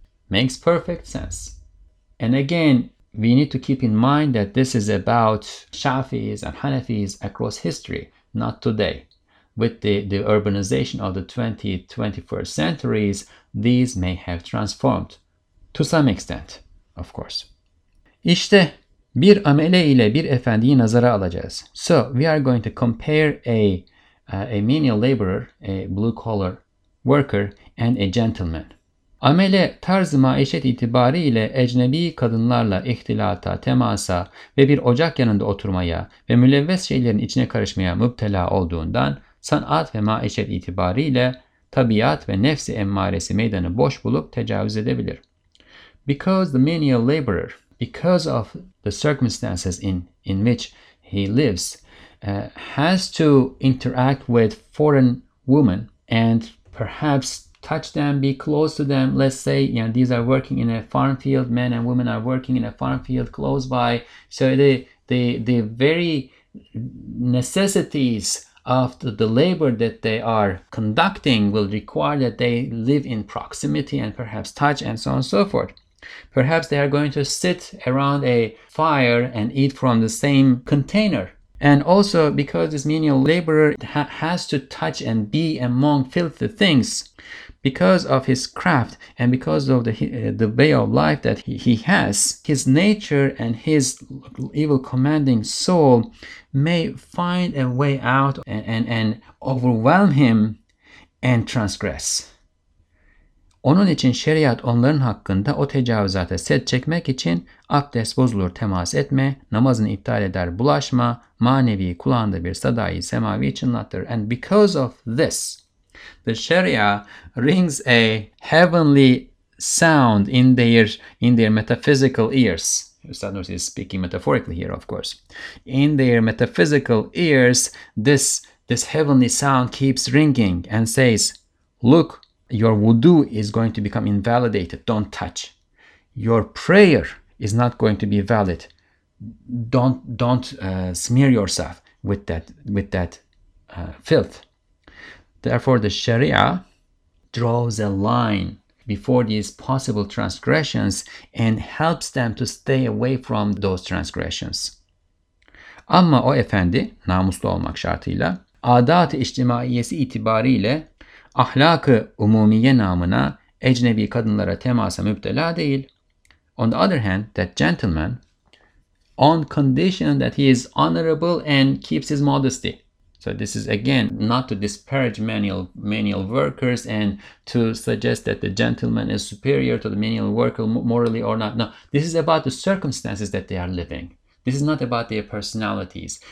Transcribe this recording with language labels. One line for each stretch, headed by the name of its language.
English: Makes perfect sense. And again, we need to keep in mind that this is about Shafi'is and Hanafis across history, not today. With the urbanization of the 21st centuries, these may have transformed to some extent, of course.
Turkish: İşte bir amele ile bir efendiyi nazara alacağız.
English: So, we are going to compare a menial laborer, a blue-collar worker, and a gentleman.
Turkish: Amele tarz-ı maişet itibariyle ecnebi kadınlarla ihtilata, temasa ve bir ocak yanında oturmaya ve mülevves şeylerin içine karışmaya müptela olduğundan, sanat ve maişet itibariyle tabiat ve nefsi emmaresi meydanı boş bulup tecavüz edebilir.
English: Because the menial laborer, because of the circumstances in which he lives, has to interact with foreign women and perhaps touch them, be close to them. Let's say, you know, these are working in a farm field, men and women are working in a farm field close by. So the very necessities of the labor that they are conducting will require that they live in proximity and perhaps touch and so on and so forth. Perhaps they are going to sit around a fire and eat from the same container. And also, because this menial laborer has to touch and be among filthy things, because of his craft and because of the way of life that he has, his nature and his evil commanding soul may find a way out and overwhelm him and transgress.
Turkish: Onun için şeriat onların hakkında o tecavüzata set çekmek için abdest bozulur temas etme, namazını iptal eder bulaşma, manevi kulağında bir sadayı semavi çınlatır.
English: And because of this, the sharia rings a heavenly sound in their metaphysical ears. Sadnus is speaking metaphorically here, of course. In their metaphysical ears, this heavenly sound keeps ringing and says, look, your wudu is going to become invalidated. Don't touch. Your prayer is not going to be valid. Don't smear yourself with that filth. Therefore, the Sharia draws a line before these possible transgressions and helps them to stay away from those transgressions.
Turkish: Ama o efendi, namuslu olmak şartıyla, adat-ı içtimaiyesi itibariyle ahlak-ı umumiye namına ecnebi kadınlara temasa müptela değil.
English: On the other hand, that gentleman, on condition that he is honorable and keeps his modesty. So this is again not to disparage menial workers and to suggest that the gentleman is superior to the menial worker morally or not. No, this is about the circumstances that they are living. This is not about their personalities.